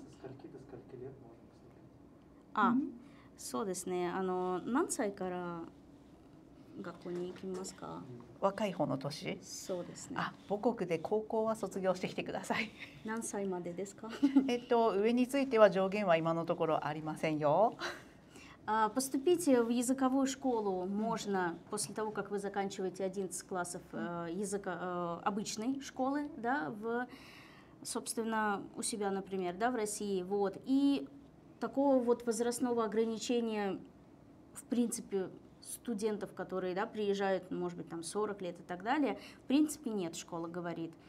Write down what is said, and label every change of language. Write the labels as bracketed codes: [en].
[ru] Со скольки до скольки лет можно поступить? [ja] А, そうですね。あの何歳から学校に行きますか。若い方の年。そうですね。あ、母国で高校は卒業してきてください。何歳までですか。上については上限は今のところありませんよ。 [ru] Поступить в языковую школу можно после того, как вы заканчиваете 11 классов языка обычной школы, да, в собственно у себя, например, да, в России, вот и такого вот возрастного ограничения, в принципе, студентов, которые, да, приезжают, может быть, там 40 лет и так далее, в принципе, нет, школа говорит.